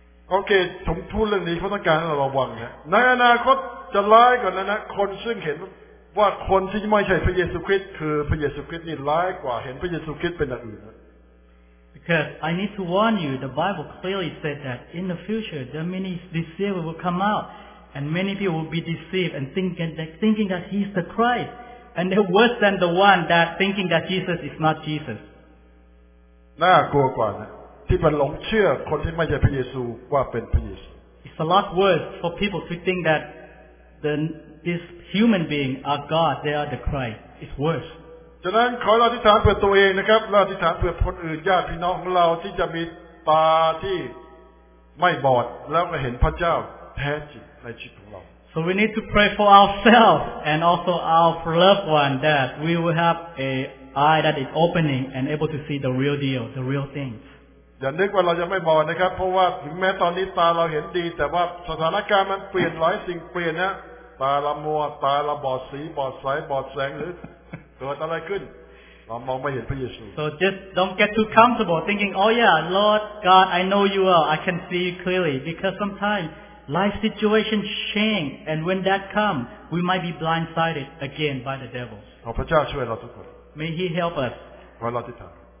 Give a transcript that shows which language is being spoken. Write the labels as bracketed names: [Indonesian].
[Thai] โอเคผมพูดเรื่องนี้เขาต้องการให้เราระวังนะในอนาคตจะร้ายกว่านั้นนะคนซึ่งเห็นว่าคนที่ไม่ใช่พระเยซูคริสต์คือพระเยซูคริสต์นี่ร้ายกว่าเห็นพระเยซูคริสต์เป็นอย่างอื่น [English] Because I need to warn you, the Bible clearly said that in the future, the many deceivers will come out, and many people will be deceived and thinking that he's the Christ, and they're worse than the one that thinking that Jesus is not Jesus. [Thai] น่ากลัวกว่านะที่มันหลงเชื่อคนที่ไม่ใช่พระเยซูว่าเป็นพระเยซู [English] It's a lot worse for people to think that this human being are God, they are the Christ. It's worse. [Thai] ฉะนั้นขอเราอธิษฐานเพื่อตัวเองนะครับเราอธิษฐานเพื่อคนอื่นญาติพี่น้องของเราที่จะมีตาที่ไม่บอดแล้วก็เห็นพระเจ้าแท้จริงในชีวิตของเรา [English] So we need to pray for ourselves and also our loved one that we will have a eye that is opening and able to see the real deal the real things [Thai] อย่านึกว่าเราจะไม่บอดนะครับเพราะว่าถึงแม้ตอนนี้ตาเราเห็นดีแต่ว่าสถานการณ์มันเปลี่ยนหลายสิ่งเปลี่ยนนะตาเรามัวตาเราบอดสีบอดสายบอดแสงหรือเกิดอะไรขึ้นเรามองไม่เห็นพระเยซู [English] So just don't get too comfortable thinking oh yeah Lord God I know you well I can see you clearly because sometimes life situation change and when that come we might be blindsided again by the devil [Thai] ขอพระเจ้าช่วยเราทุกคน [English] May he help us [Thai] ขอเราติดตาม